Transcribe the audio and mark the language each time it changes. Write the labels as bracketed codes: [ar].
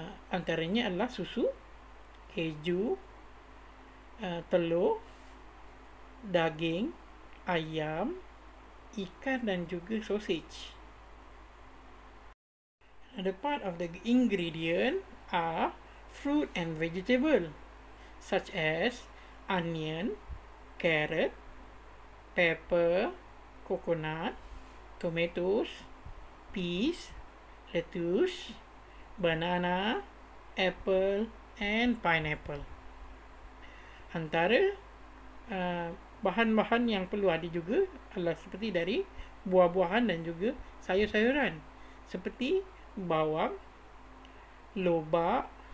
[ms] Antaranya adalah susu, keju, telur, daging, ayam, ikan dan juga sausage. [en] Another part of the ingredient are fruit and vegetable, such as onion, carrot, pepper, coconut, tomatoes, peas, lettuce, banana, apple and pineapple. [ms] Antara bahan-bahan yang perlu ada juga adalah seperti dari buah-buahan dan juga sayur-sayuran seperti bawang, lobak,